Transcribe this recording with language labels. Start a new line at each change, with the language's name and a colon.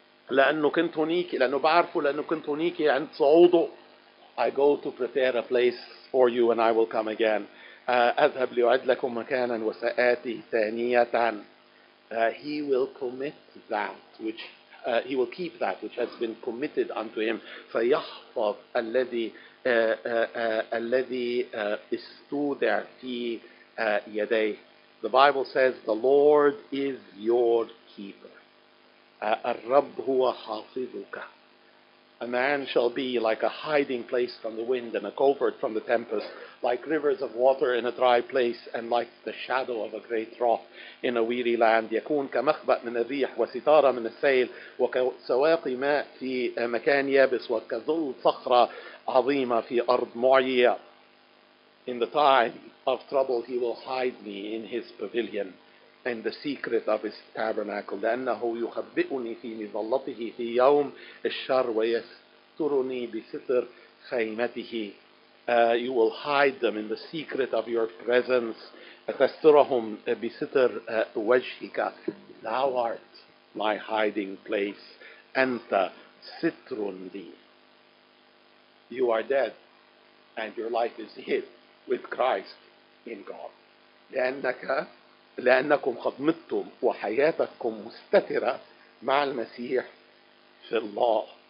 Arabic: لأنه كنت هنيك لأنه بعرفه لأنه كنت هنيك عند صعوده.
English: I go to prepare a place for you and I will come again.
Arabic: أذهب لأعد لكم مكانا وسآتي ثانية.
English: He will commit that which he will keep that which has been committed unto him.
Arabic: فيحفظ الذي الذي استودع في يديه.
English: The Bible says the Lord is your keeper.
Arabic: الرب هو حافظك.
English: A man shall be like a hiding place from the wind and a covert from the tempest, like rivers of water in a dry place and like the shadow of a great rock in a weary land.
Arabic: يكون كمخبأ من الريح وستارة من السيل وكسواقي ماء في مكان يابس وكظل صخرة عظيمة في أرض معية.
English: In the time of trouble he will hide me in his pavilion. In the secret of his tabernacle,
Arabic: لأنه يخبئني في مظلته في يوم الشر ويسترني بستر خيمته.
English: You will hide them in the secret of your presence.
Arabic: تسترهم بستر وجهك.
English: Thou art my hiding place.
Arabic: أنت ستر لي.
English: You are dead, and your life is hid with Christ in God.
Arabic: لأنك لأنكم قد متتم وحياتكم مستترة مع المسيح في الله.